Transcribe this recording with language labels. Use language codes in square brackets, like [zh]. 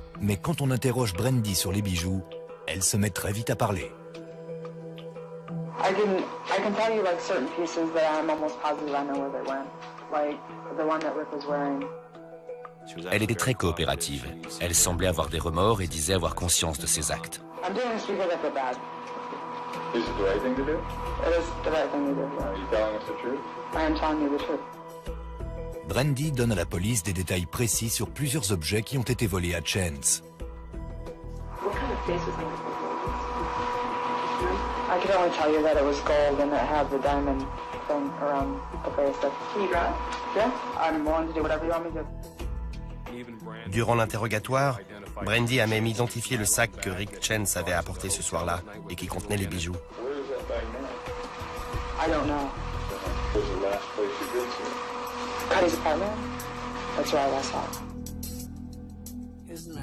[fr] mais quand on interroge Brandy sur les bijoux, elle se met très vite à parler. [en] I can tell you like certain pieces that I'm almost positive I know where they went. Like the one that Rick was wearing. [fr] Elle était très coopérative. Elle semblait avoir des remords et disait avoir conscience de ses actes. [en] I'm doing this because I feel bad. Is it the right thing to do? It is the right thing to do. Are you telling us the truth? I am telling you the truth. [fr] Brandy donne à la police des détails précis sur plusieurs objets qui ont été volés à Chance. [en] What kind of face is that? I can only tell you that it was gold and it had the diamond thing around the face. Can you grab? Yeah, I'm willing to do whatever you want me to. [fr] Durant l'interrogatoire, Brandy a même identifié le sac que Rick Chance avait apporté ce soir-là et qui contenait les bijoux. [en] I don't know. Cuddy's apartment? That's where I saw it.